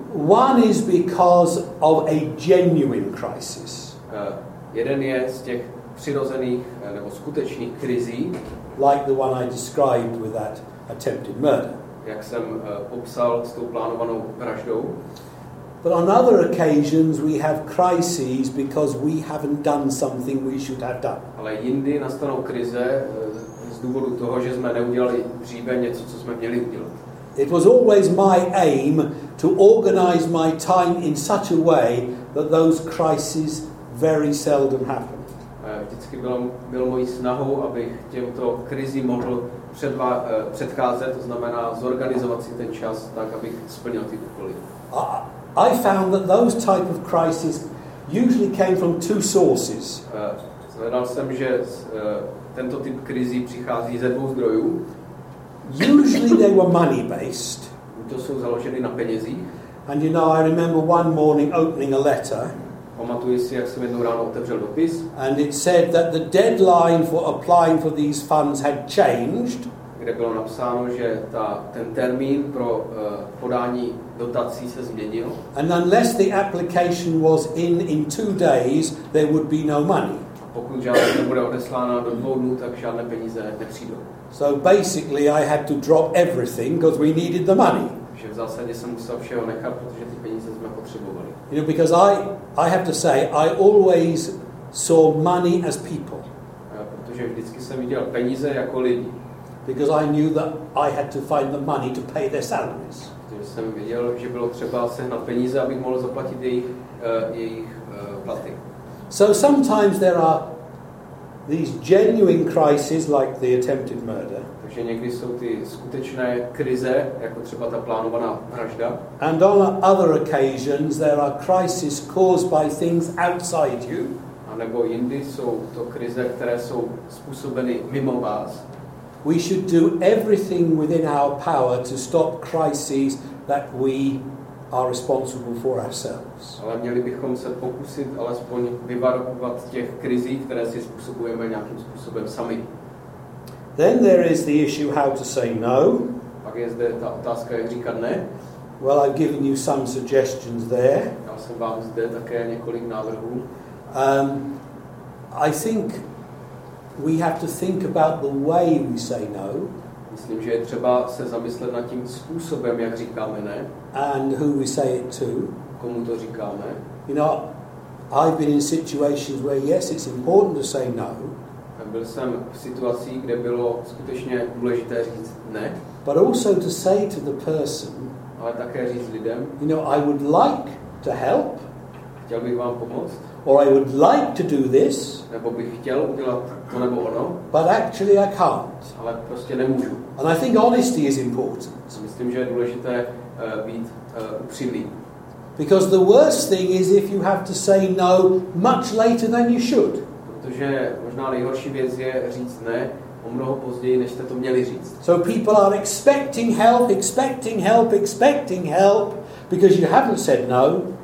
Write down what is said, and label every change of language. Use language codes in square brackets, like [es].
[en] One is because of a genuine crisis. [cs] Jeden je z těch přirozených nebo skutečných krizí, [en] like the one I described with that attempted murder. [cs] Jak jsem popsal s tou plánovanou vraždou. [en] But on other occasions we have crises because we haven't done something we should have done. [cs] Ale jindy nastanou krize z důvodu toho, že jsme neudělali dříve něco, co jsme měli udělat. [en] It was always my aim to organize my time in such a way that those crises very seldom happened. [cs] Vždycky bylo mojí snahou, abych těmto krizím mohl předcházet, to znamená zorganizovat si ten čas tak, abych splnil ty úkoly. [en] I found that those type of crises usually came from two sources. [cs] Zvedal jsem, že tento typ krizí přichází ze dvou zdrojů. [en] Usually they were money based. [cs] To jsou založeny na penězích. [en] And you know, I remember one morning opening a letter. [cs] Pamatuji si, jak jsem jednou ráno otevřel dopis. [en] And it said that the deadline for applying for these funds had changed. [cs] Kde bylo napsáno, že ten termín pro podání dotací se změnil. [en] And unless the application was in 2 days, there would be no money. [cs] A pokud žádná nebude odeslána do 2 dnů, tak žádné peníze nepřijdou. [en] So basically I had to drop everything because we needed the money. [cs] Že v zásadě jsem musel všeho nechat, protože ty peníze jsme potřebovali. [en] You know, because I have to say, I always saw money as people. [cs] Protože vždycky jsem viděl peníze jako lidi. [en] Because I knew that I had to find the money to pay their salaries. [cs] Protože jsem viděl, že bylo třeba sehnat peníze, abych mohl zaplatit jejich platy. [en] So sometimes there are these genuine crises like the attempted murder. [cs] Takže někdy jsou ty skutečné krize, jako třeba ta plánovaná vražda. [en] And on other occasions there are crises caused by things outside you. [cs] A nebo jindy jsou to krize, které jsou způsobeny mimo vás. [en] We should do everything within our power to stop crises that we are responsible for ourselves. [cs] Ale měli bychom se pokusit alespoň vyvarovat těch krizí, které si způsobujeme nějakým způsobem sami. [en] Then there is the issue how to say no. [cs] Pak je zde ta otázka, jak říkat ne. [en] Well, I've given you some suggestions there. [cs] Dal jsem vám zde také několik návrhů. [en] I think we have to think about the way we say no. [cs] Myslím, že je třeba se zamyslet nad tím způsobem, jak říkáme ne. [en] And who we say it to. [cs] Komu to říkáme. [en] You know, I've been in situations where yes, it's important to say no. [cs] Byl jsem v situaci, kde bylo skutečně důležité říct ne. [en] But also to say to the person. [cs] Ale také říct lidem. [en] You know, I would like to help. [cs] Chtěl bych vám pomoct. [en] Or I would like to do this. [cs] Nebo bych chtěl udělat to nebo ono. [en] But actually I can't. [cs] Ale prostě nemůžu. [en] And I think honesty is important. [cs] Myslím, že je důležité být upřímný. [en] Because the worst thing is if you have to say no much later than you should. [cs] Protože možná nejhorší věc je říct ne o mnoho později, než jste to měli říct. [en] So people are expecting help because you haven't said no.